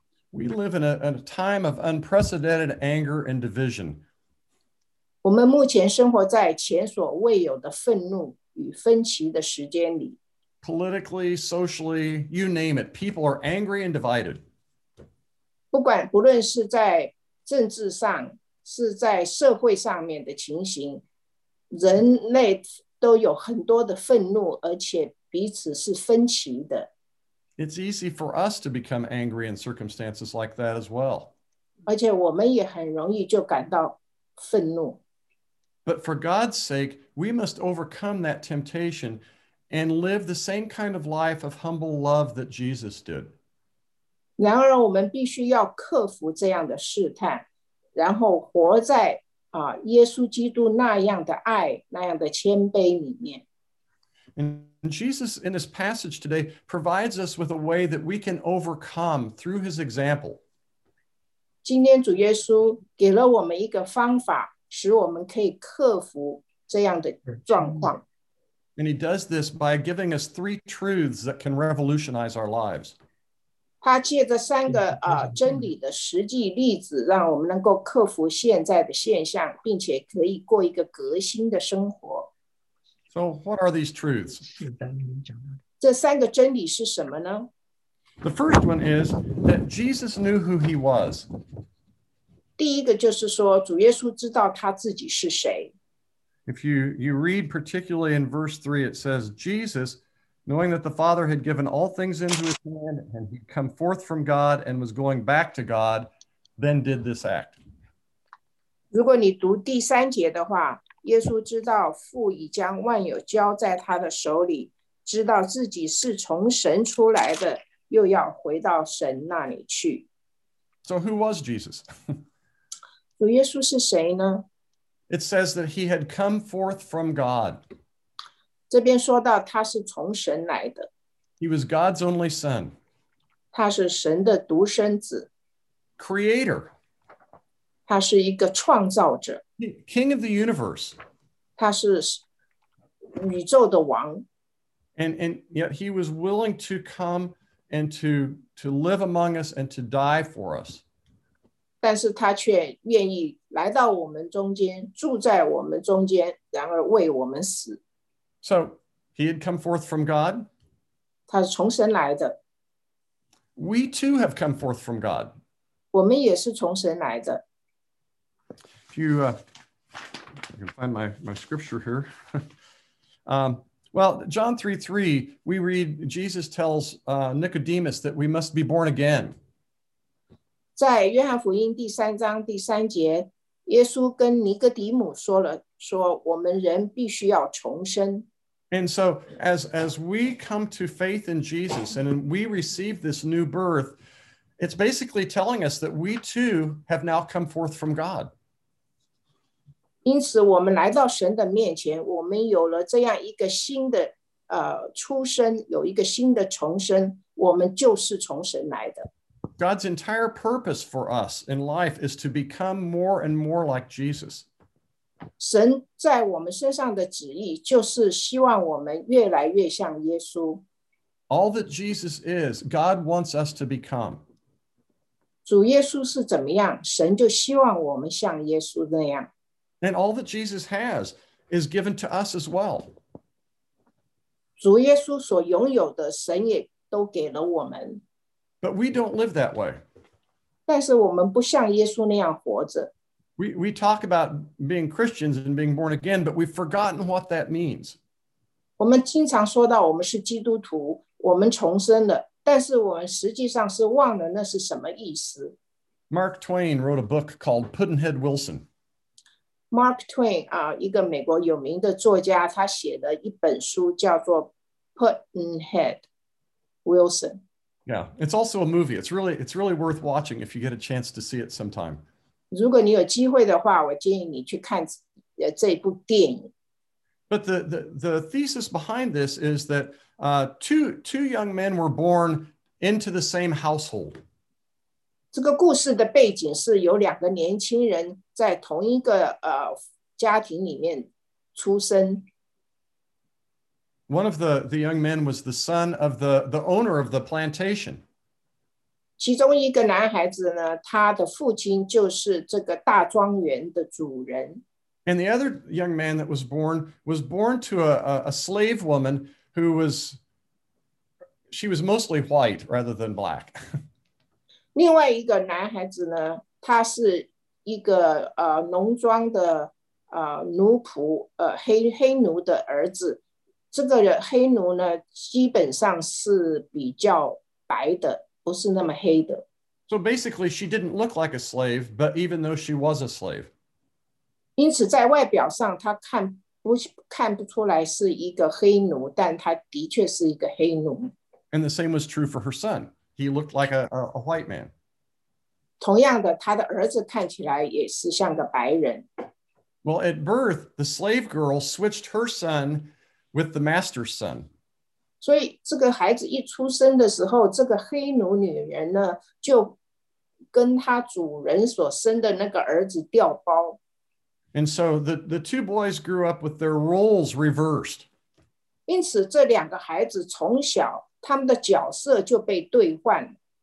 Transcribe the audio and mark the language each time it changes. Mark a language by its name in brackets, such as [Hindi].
[English] We live in a time of unprecedented anger and division. [Chinese] 我们目前生活在前所未有的愤怒与分歧的时间里。 [English] Politically, socially, you name it, people are angry and divided. [Chinese] 不论是在政治上是在社会上面的情形，人类都有很多的愤怒，而且彼此是分歧的。 [English] It's easy for us to become angry in circumstances like that as well. [Chinese] 而且我们也很容易就感到愤怒。 [English] But for God's sake, we must overcome that temptation and live the same kind of life of humble love that Jesus did. [Chinese] 然而我们必须要克服这样的试探。然后活在耶稣基督那样的爱，那样的谦卑里面。 [English] And Jesus in this passage today provides us with a way that we can overcome through his example. [Chinese] 今天主耶稣给了我们一个方法，使我们可以克服这样的状况。 [English] And he does this by giving us three truths that can revolutionize our lives. [Chinese] 他借着三个真理的实际例子，让我们能够克服现在的现象，并且可以过一个革新的生活。 [English] So what are these truths? [Chinese] 这三个真理是什么呢？ [English] The first one is that Jesus knew who he was. [Chinese] 第一个就是说，主耶稣知道他自己是谁。 [English] If you read particularly in verse 3, it says, Jesus... knowing that the Father had given all things into his hand and he'd come forth from God and was going back to God, then did this act. [Chinese] 如果你读第三节的话，耶稣知道父已将万有交在他的手里，知道自己是从神出来的，又要回到神那里去。 [English] So who was Jesus? [Chinese] 主耶稣是谁呢？ [English] It says that he had come forth from God. [Chinese] 这边说到他是从神来的。 [English] He was God's only son. [Chinese] 他是神的独生子。 [English] Creator. [Chinese] 他是一个创造者。 [English] King of the universe. [Chinese] 他是宇宙的王。 [English] And yet he was willing to come and to live among us and to die for us. [Chinese] 但是他却愿意来到我们中间，住在我们中间，然而为我们死。 [English] So, he had come forth from God. [Chinese] 他是从神来的。 [English] We too have come forth from God. [Chinese] 我们也是从神来的。 [English] If you can find my scripture here. John 3:3, we read Jesus tells Nicodemus that we must be born again. [Chinese] 在约翰福音第三章第三节，耶稣跟尼哥底母说了，说我们人必须要重生。 [English] And so as we come to faith in Jesus and we receive this new birth, it's basically telling us that we too have now come forth from God. [Chinese] 因此我们来到神的面前，我们有了这样一个新的出生，有一个新的重生，我们就是从神来的。 [English] God's entire purpose for us in life is to become more and more like Jesus. [Chinese] 神在我们身上的旨意就是希望我们越来越像耶稣。 [English] All that Jesus is, God wants us to become. [Chinese] 主耶稣是怎么样，神就希望我们像耶稣那样。 [English] And all that Jesus has is given to us as well. [Chinese] 主耶稣所拥有的，神也都给了我们。 [English] But we don't live that way. [Chinese] 但是我们不像耶稣那样活着。 [English] We talk about being Christians and being born again, but we've forgotten what that means. [Chinese] 我们经常说到我们是基督徒，我们重生了，但是我们实际上是忘了那是什么意思。 [English] Mark Twain wrote a book called Pudd'nhead Wilson. [Chinese] Mark Twain, 一个美国有名的作家，他写的一本书叫做 Pudd'nhead Wilson. [English] Yeah, it's also a movie. It's really worth watching if you get a chance to see it sometime. [Chinese] 如果你有机会的话，我建议你去看这部电影。 [English] But the thesis behind this is that two young men were born into the same household. [Chinese] 这个故事的背景是有两个年轻人在同一个家庭里面出生。 [English] One of the young men was the son of the owner of the plantation. [Chinese] 其中一个男孩子呢，他的父亲就是这个大庄园的主人。 [English] And the other young man that was born to a slave woman who was, she was mostly white rather than black. [Chinese] 另外一个男孩子呢，他是一个农庄的奴仆，黑奴的儿子。这个黑奴呢，基本上是比较白的。 [English] So basically, she didn't look like a slave, but even though she was a slave. [Chinese] 因此在外表上她看不出来是一个黑奴，但她的确是一个黑奴。 [English] And the same was true for her son. He looked like a white man. [Chinese] 同样的，她的儿子看起来也是像个白人。 [English] Well, at birth, the slave girl switched her son with the master's son. [Chinese] 所以这个孩子一出生的时候，这个黑奴女人呢，就跟她主人所生的那个儿子调包。 [English] And so the two boys grew up with their roles reversed. [Chinese] 因此这两个孩子从小，他们的角色就被兑换。